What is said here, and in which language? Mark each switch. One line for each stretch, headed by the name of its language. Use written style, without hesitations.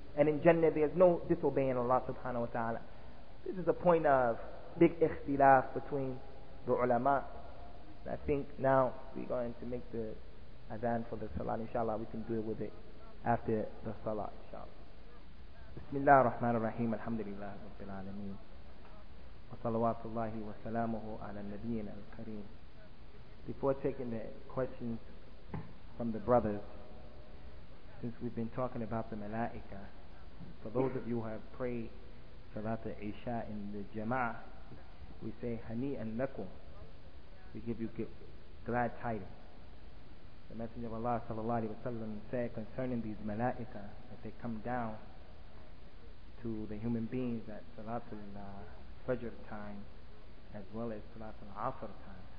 English: And in Jannah there's no disobeying Allah subhanahu wa ta'ala. This is a point of big ikhtilaf between the ulama. I think now we're going to make the adhan for the salah. Inshallah we can do it with it after the salah, inshallah.
Arabic: Bismillah ar-Rahman ar-Rahim. Alhamdulillah Rabbil Alameen. وصلوات الله وسلامه على النبي الكريم.
English: Before taking the questions from the brothers, since we've been talking about the malaika, for those of you who have prayed salat al-isha in the jama'ah, we say hani'an lakum. We give you glad tidings. The Messenger of Allah sallallahu alaihi wasallam said concerning these malaika, that they come down to the human beings at salat al-fajr time, as well as salat al-asr time.